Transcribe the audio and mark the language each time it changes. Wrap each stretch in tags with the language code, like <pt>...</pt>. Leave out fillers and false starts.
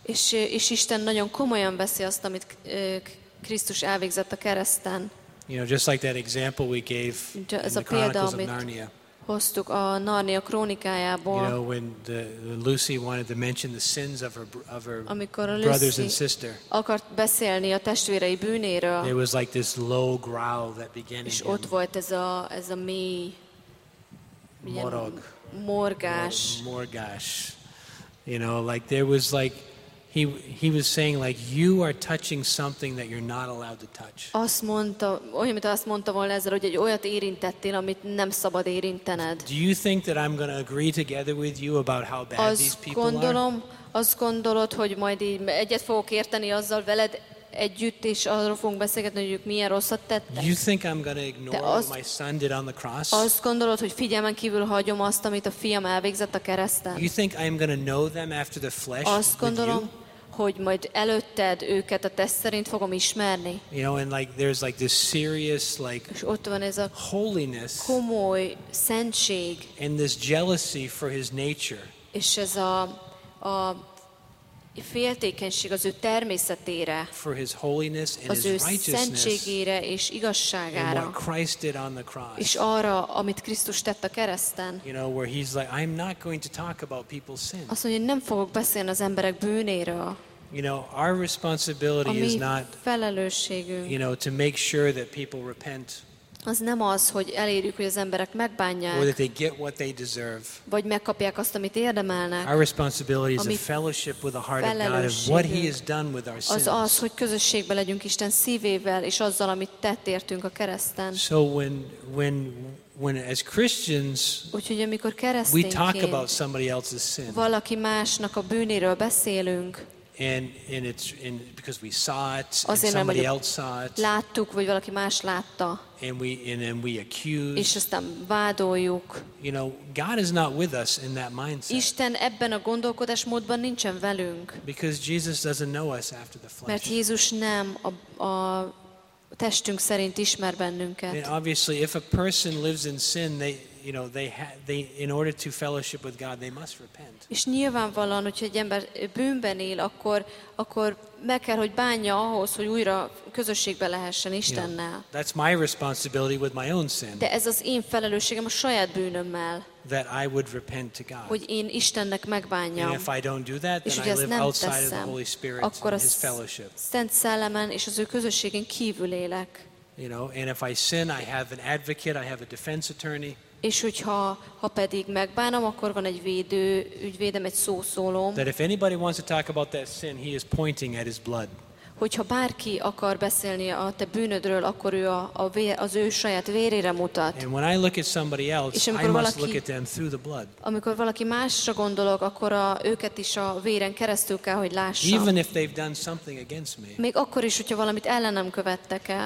<hu>És Isten nagyon komolyan veszi azt, amit Krisztus elvégzett a kereszten.</hu> <en>You know, just like that example we gave in the Chronicles of Narnia.</en> <hu>Hoztuk a Narnia krónikájából.</hu> <en>You know, when the Lucy wanted to mention the sins of her brothers and sister.</en> <hu>Akart beszélni a testvérei bűnéről.</hu> <en>It was like this low growl that began</en> <hu>in him. És ott volt ez a mély morog. Morgás.</hu> <en>Morgás. You know, like there was like he was saying like you are touching something that you're not allowed to touch.</en> <hu>Azt mondta, olyan, mint azt mondta volna ezzel, hogy egy olyat érintettél, amit nem szabad érintened.</hu> <en>Do you think that I'm going to agree together with you about how bad</en> <hu>azt</hu> <en>these people</en> <hu>gondolom,</hu> <en>are?</en> <hu>Azt gondolod, hogy majd így egyet fogok érteni azzal veled együtt, és arról fogunk beszélgetni, hogy ők milyen rosszat tettek.</hu> <en>You think I'm going to ignore what my son did on the cross?</en> <hu>Azt gondolod, hogy figyelmen kívül hagyom azt, amit a fiam elvégzett a kereszten?</hu> <en>You think I'm going to know them after the flesh?</en> <hu>Azt gondolom, hogy majd előtted őket a teszt szerint fogom ismerni.</hu> <en>You know, and like there's like this serious like holiness,</en> <hu>komoly szentség,</hu> <en>and this jealousy for his nature.</en> <hu>És ez a féltékenység az ő természetére,</hu> <en>for his holiness and</en> <hu>az ő szentségére és igazságára,</hu> <en>and what Christ did on the cross,</en> <hu>és arra, amit Krisztus tett a kereszten.</hu> <en>You know, where he's like, I'm not going to talk about people's sin.</en> <hu>Azt mondja, nem fogok beszélni az emberek bűnéről.</hu> <en>You know, our responsibility is not,</en> <hu>felelősségünk,</hu> <en>you know, to make sure that people repent.</en> <hu>Az nem az, hogy elérjük, hogy az emberek megbánják,</hu> <en>or that they get what they deserve.</en> <hu>Vagy megkapják azt, amit érdemelnek.</hu> <en>Our responsibility is a fellowship with the heart of God of what he has done with our sins.</en> <hu>Az az, hogy közösségben legyünk Isten szívével és azzal, amit tett értünk a kereszten.</hu> <en>So when as Christians,</en> <hu>úgyhogy amikor keresztények,</hu> <en>we talk about somebody else's sin.</en> <hu>Valaki másnak a bűnéről beszélünk.</hu> <en>And it's in, because we saw it, and somebody else saw it.</en> <hu>Láttuk, vagy valaki más látta.</hu> <en>And we accuse.</en> <hu>És aztán vádoljuk.</hu> <en>You know, God is not with us in that mindset.</en> <hu>Isten ebben a gondolkodásmódban nincsen velünk.</hu> <en>Because Jesus doesn't know us after the flesh.</en> <hu>Mert Jézus nem a testünk szerint ismer bennünket.</hu> <en>And obviously, if a person lives in sin, they in order to fellowship with God, they must repent.</en> <hu>És nyilvánvalóan, hogy egy ember bűnben él, akkor meg kell, hogy bánja ahhoz, hogy újra közösségbe lehessen Istennel.</hu> <en>You know, that's my responsibility with my own sin.</en> <hu>De ez az én felelősségem a saját bűnömmel.</hu> <en>That I would repent to God.</en> <hu>Hogy én Istennek megbánjam.</hu> <en>And if I don't do that, then I live outside of the Holy Spirit and his fellowship.</en> <hu>Szent szellemen és az ő közösségén kívül élek.</hu> <en>You know, and if I sin, I have an advocate, I have a defense attorney.</en> <hu>És hogyha pedig megbánom, akkor van egy védő, ügyvédem, egy szószólom.</hu> <en>That if anybody wants to talk about that sin, he is pointing at his blood.</en> <hu>Hogyha bárki akar beszélni a te bűnödről, akkor ő az ő saját vérére mutat.</hu> <en>And when I look at somebody else, I must look at them through the blood.</en> <hu>Amikor valaki másra gondolok, akkor őket is a véren keresztül kell, hogy lássam.</hu> <en>Even if they've done something against me.</en> <hu>Még akkor is, hogyha valamit ellenem követtek el.</hu>